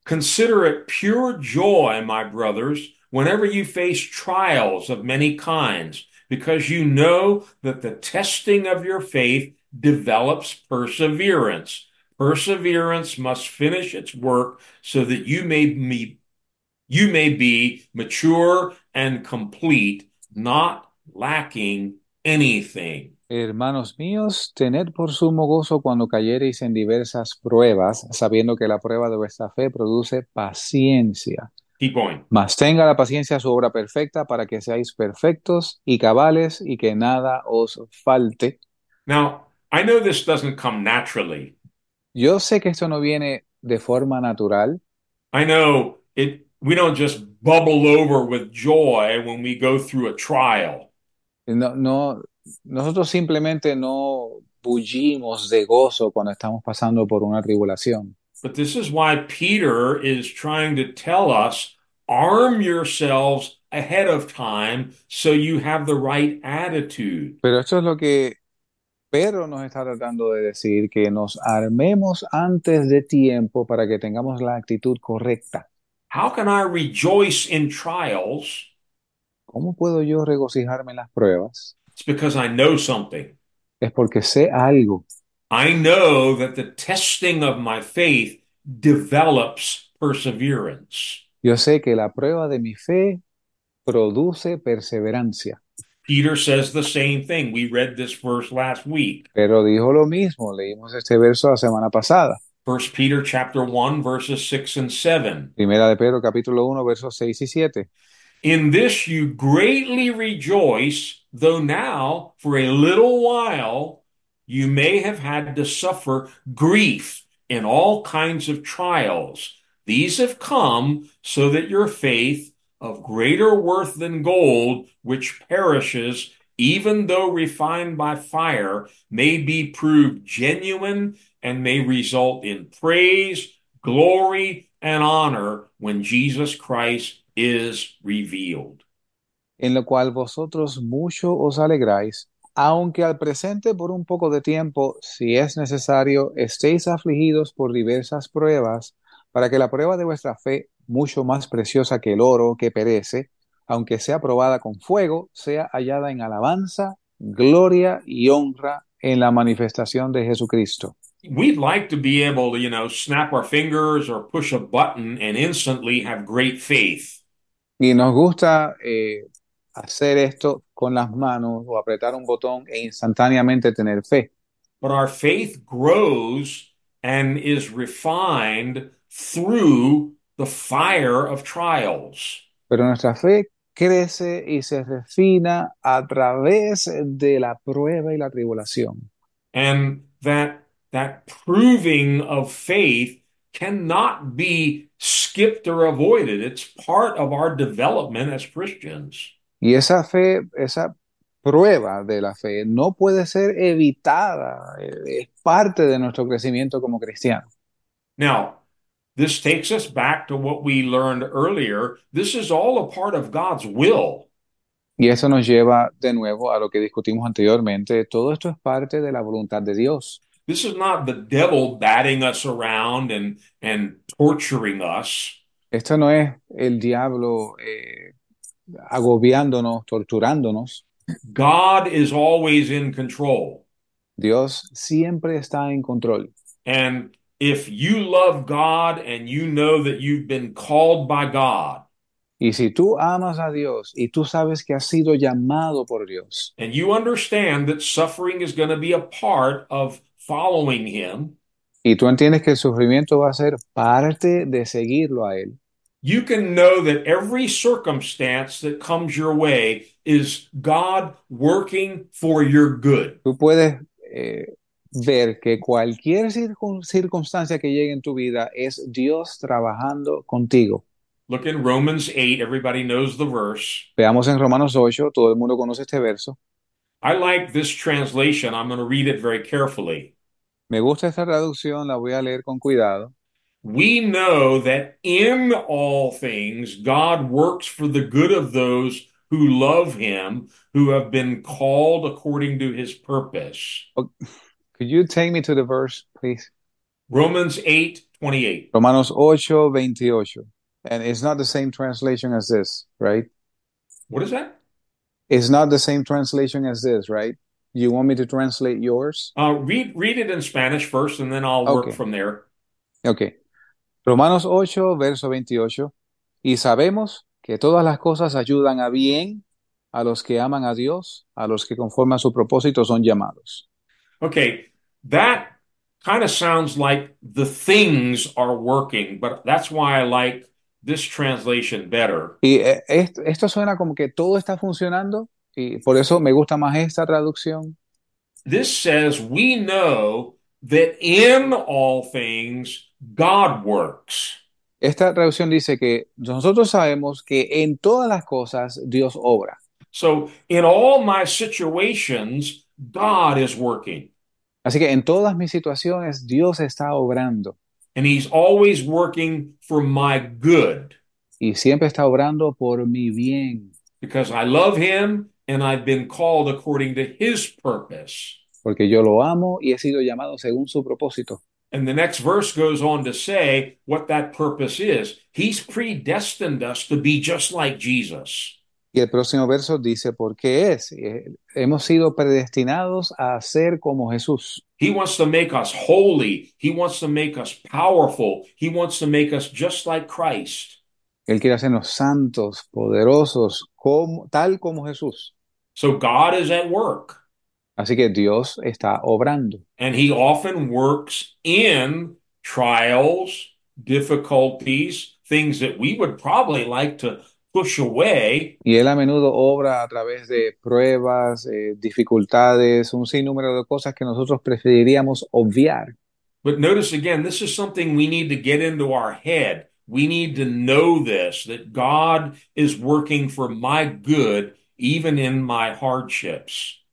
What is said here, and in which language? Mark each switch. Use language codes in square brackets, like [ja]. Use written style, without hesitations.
[en] Consider it pure joy, my brothers, whenever you face trials of many kinds, because you know that the testing of your faith develops perseverance. Perseverance must finish its work so that you may be mature and complete, not lacking anything. [es] Hermanos míos, tened por sumo gozo cuando cayereis en diversas pruebas, sabiendo que la prueba de vuestra fe produce paciencia. [en] Keep going. [es] Mas tenga la paciencia su obra perfecta para que seáis perfectos y cabales y que nada os falte. [en] Now, I know this doesn't come naturally. [es] Yo sé que esto no viene de forma natural. [en] I know it. We don't just bubble over with joy when we go through a trial. No, no. [es] Nosotros simplemente no bullimos de gozo cuando estamos pasando por una tribulación. [en] But this is why Peter is trying to tell us, arm yourselves ahead of time so you have the right attitude. [es] Pero esto es lo que Pedro nos está tratando de decir, que nos armemos antes de tiempo para que tengamos la actitud correcta. [en] How can I rejoice in trials? [es] ¿Cómo puedo yo regocijarme en las pruebas? [en] It's because I know something. [es] Es porque sé algo. [en] I know that the testing of my faith develops perseverance. [es] Yo sé que la prueba de mi fe produce perseverancia. [en] Peter says the same thing. We read this verse last week. [es] Pero dijo lo mismo, leímos este verso la semana pasada. [en] 1 Peter chapter 1, verses 6 and 7. [es] Primera de Pedro, capítulo 1, versos 6 y 7. [en] In this you greatly rejoice, though now, for a little while, you may have had to suffer grief in all kinds of trials. These have come so that your faith, of greater worth than gold, which perishes, even though refined by fire, may be proved genuine and may result in praise, glory, and honor when Jesus Christ is revealed. [es] En lo cual vosotros mucho os alegráis, aunque al presente por un poco de tiempo, si es necesario, estéis afligidos por diversas pruebas, para que la prueba de vuestra fe, mucho más preciosa que el oro que perece, aunque sea probada con fuego, sea hallada en alabanza, gloria y honra en la manifestación de Jesucristo. [en] We'd like to be able to, snap our fingers or push a button and instantly have great faith. [es] Y nos gusta hacer esto con las manos o apretar un botón e instantáneamente tener fe. [en] But our faith grows and is refined through the fire of trials. [es] Pero nuestra fe crece y se refina a través de la prueba y la tribulación. [en] And that proving of faith cannot be skipped or avoided. It's part of our development as Christians. [es] Y esa fe, esa prueba de la fe no puede ser evitada, es parte de nuestro crecimiento como cristiano. [en] Now, this takes us back to what we learned earlier. This is all a part of God's will. [es] Y eso nos lleva de nuevo a lo que discutimos anteriormente. Todo esto es parte de la voluntad de Dios. [en] This is not the devil batting us around and torturing us. [es] Esto no es el diablo agobiándonos, torturándonos. [en] God is always in control. [es] Dios siempre está en control. [en] And if you love God and you know that you've been called by God, [es] Y si tú amas a Dios y tú sabes que has sido llamado por Dios, [en] and you understand that suffering is going to be a part of following him, [es] y tú entiendes que el sufrimiento va a ser parte de seguirlo a Él. [en] you can know that every circumstance that comes your way is God working for your good. [es] Tú puedes ver que cualquier circunstancia que llegue en tu vida es Dios trabajando contigo. [en] Look in Romans 8, everybody knows the verse. [es] Veamos en Romanos 8, todo el mundo conoce este verso. [en] I like this translation. I'm going to read it very carefully. [es] Me gusta esta traducción, la voy a leer con cuidado. [en] We know that in all things God works for the good of those who love him, who have been called according to his purpose. Could you take me to the verse, please? Romans 8, 28. [es] Romanos 8, 28. [en] And it's not the same translation as this, right? What is that? It's not the same translation as this, right? You want me to translate yours? Read it in Spanish first, and then I'll work Okay. from there. [es] Okay. Romanos 8, verso 28. Y sabemos que todas las cosas ayudan a bien a los que aman a Dios, a los que conforme a su propósito son llamados. [en] Okay, that kind of sounds like the things are working, but that's why I like this translation better. [es] Y esto suena como que todo está funcionando y por eso me gusta más esta traducción. [en] This says we know that in all things God works. [es] Esta traducción dice que nosotros sabemos que en todas las cosas Dios obra. [en] So in all my situations, God is working. [es] Así que en todas mis situaciones Dios está obrando. [en] And he's always working for my good. [es] Y siempre está obrando por mi bien. [en] Because I love him and I've been called according to his purpose. [es] Porque yo lo amo y he sido llamado según su propósito. [en] And the next verse goes on to say what that purpose is. He's predestined us to be just like Jesus. [es] Y el próximo verso dice, ¿por qué es? Hemos sido predestinados a ser como Jesús. [en] He wants to make us holy. He wants to make us powerful. He wants to make us just like Christ. [es] Él quiere hacernos santos, poderosos, tal como Jesús. [en] So God is at work. [es] Así que Dios está obrando. [en] And he often works in trials, difficulties, things that we would probably like to push away. [es] Y Él a menudo obra a través de pruebas, dificultades, un sinnúmero de cosas que nosotros preferiríamos obviar. [en] But notice again, this is something we need to get into our head. We need to know this, that God is working for my good, even in my hardships.